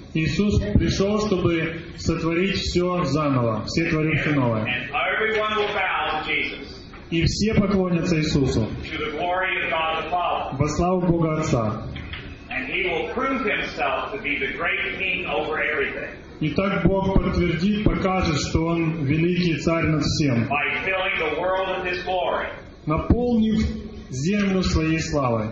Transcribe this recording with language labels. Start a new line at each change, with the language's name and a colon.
Russian: Иисус пришел, чтобы сотворить все заново, все творится новое.
English: And everyone will bow to Jesus.
Russian: И все поклонятся Иисусу.
English: To the glory of God the Father.
Russian: Во славу Бога Отца.
English: And He will prove Himself to be the great King over everything.
Russian: И так Бог подтвердит, покажет, что Он великий Царь над всем.
English: By filling the world with His glory.
Russian: Наполнив землю своей славой.